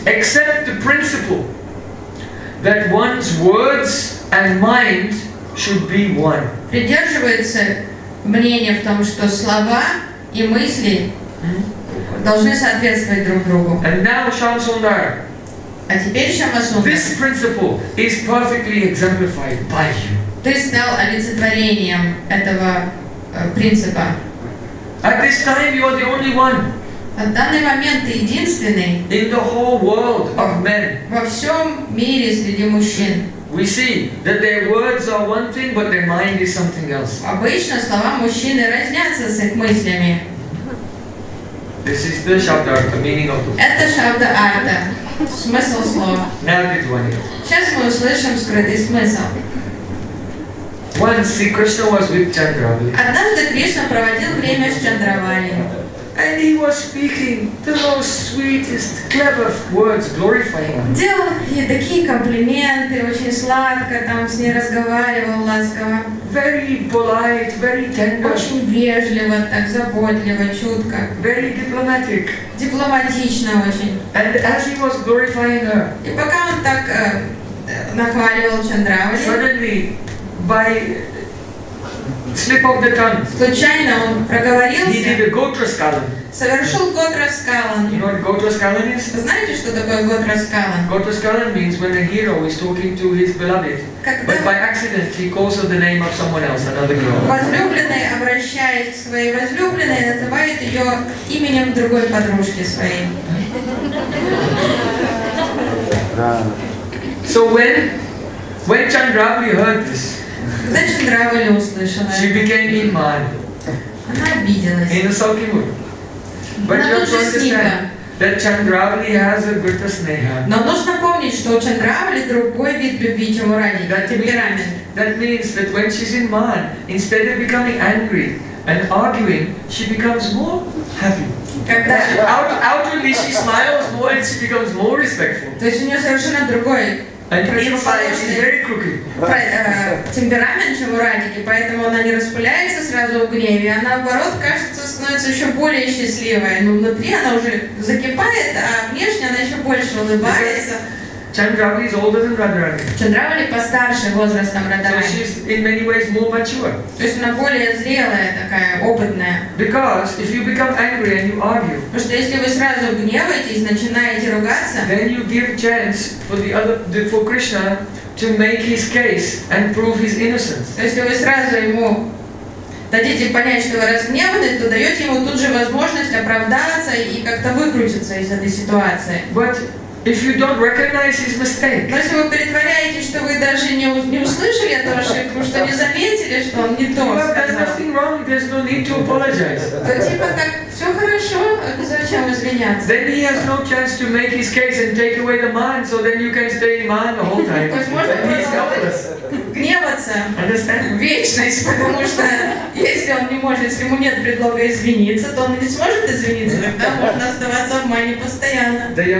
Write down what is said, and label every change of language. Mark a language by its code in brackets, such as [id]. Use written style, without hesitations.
[en] accept the principle that one's words and mind should be one. [ru] Придерживается мнение в том, что слова и мысли должны соответствовать друг другу. [en] And now, Shamsundar. [ru] А теперь Шамасундар. [en] This principle is perfectly exemplified by you. [ru] Ты стал олицетворением этого принципа. [en] At this time, you are the only one. [ru] На данный момент ты единственный. [en] In the whole world of men. [ru] Во всем мире среди мужчин. [en] We see that their words are one thing, but their mind is something else. [ru] Обычно слова мужчины разнятся с их мыслями. [en] This is the Shabdartha, meaning of the word. [ru] Это Шабдартха, смысл слова. [en] Now the one. [ru] Сейчас мы услышим скрытый смысл. [en] Once Krishna was with Chandravali. [ru] Однажды Кришна проводил время с Чандравали. [en] And he was speaking the most sweetest, clever words, glorifying him. [ru] Делал ей такие комплименты, очень сладко там с ней разговаривал, ласково. [en] Very polite, very tender. [ru] Очень вежливо, так заботливо, чутко. [en] Very diplomatic. [ru] Дипломатично очень. [en] And as he was glorifying her. [ru] И пока он так нахваливал Чандравали. [en] Suddenly. By slip of the tongue. [ru] Случайно он проговорился. [en] He did a Gotraskalan. [ru] Совершил Gotraskalan. [en] You know what Gotraskalan is? [ru] Знаете, что такое Gotraskalan? [en] Gotraskalan means when a hero is talking to his beloved, but by accident he calls her the name of someone else, another girl. [ru] Возлюбленный обращает к своей возлюбленной, называет ее именем другой подружки своей. [en] So when Chandravali heard this. [ru] Когда Чандравали услышала, [en] she became in mad. Она обиделась. In a sulky mood. But you have to understand that Chandravali has a greater sneha. [ru] Но нужно помнить, что у Чандравали другой вид любви, чем у Рани. Темперамент. [en] That means that when she's in mad, instead of becoming angry and arguing, she becomes more happy. [ru] Когда [en] outwardly she smiles more and she becomes more respectful. [ru] То есть у нее совершенно другой. [en] And inside she's very crooked. [ru] темперамент, чем у Радики, поэтому она не распыляется сразу в гневе, а наоборот, кажется, становится еще более счастливой. Но внутри она уже закипает, а внешне она еще больше улыбается. [en] Chandravali is older than Radharani. [ru] Chandravali постарше возрастом Radharani. [en] So she is in many ways more mature. [ru] То есть она более зрелая такая, опытная. [en] Because if you become angry and you argue. [ru] Потому что если вы сразу гневаетесь, начинаете ругаться. [en] Then you give chance for the other, for Krishna to make his case and prove his innocence. [ru] То есть вы сразу ему дадите понять, что вы разгневаны, то даете ему тут же возможность оправдаться и как-то выкрутиться из этой ситуации. [en] But if you don't recognize his mistake. [ru] Но если вы притворяетесь, что вы даже не услышали эту ошибку, что не заметили, что он не то сказал. [en] Nothing wrong, there's no need to apologize. [ru] То типа так, все хорошо, зачем извиняться? [en] Then he has no chance to make his case and take away the man, so then you can stay in man the whole time. [ru] То есть можно продолжать гневаться вечность, потому что если он не может, если ему нет предлога извиниться, то он не сможет извиниться, тогда можно оставаться в мане постоянно.